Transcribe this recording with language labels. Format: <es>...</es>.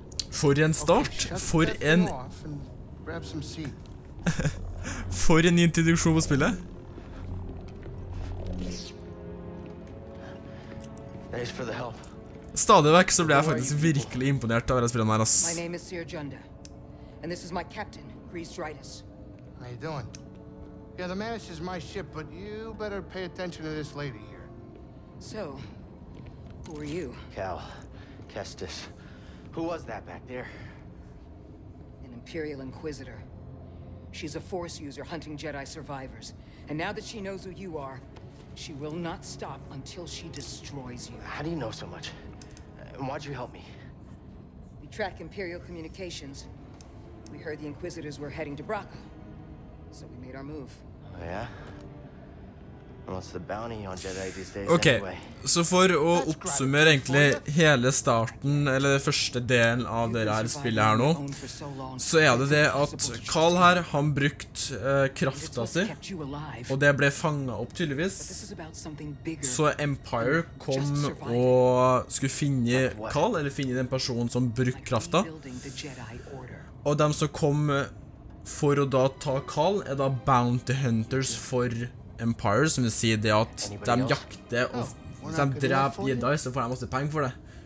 <no>For en start, for en... For en introduksjon på spillet.</no> <en>Thanks for the help.</en> <no>Stadigvæk så ble jeg faktisk virkelig imponert av å spille den her, ass.</no> <en>My name is Sir Junda, and this is my captain, Greece Ritus. How you doing? Yeah, the Manish is my ship, but you better pay attention to this lady here. So, who are you? Cal, Kestis. Who was that back there? An Imperial Inquisitor. She's a Force user hunting Jedi survivors, and now that she knows who you are, she will not stop until she destroys you. How do you know so much? And why'd you help me? We track Imperial communications. We heard the Inquisitors were heading to Bracca. So we made our move. Oh yeah? What's the bounty on Jedi these days anyway?</en> <no>Så for å oppsummere egentlig hele starten, eller den første delen av det her spillet her nå, så er det det at Cal her, han brukt krafta si, og det ble fanget opp tydeligvis, så Empire kom og skulle finne Cal, eller finne den personen som brukt krafta, og dem som kom for å da ta Cal, er da Bounty Hunters for Empire, som vil si det at de jakter og hvis de dreper Jedi, så får de masse penger for det.</no>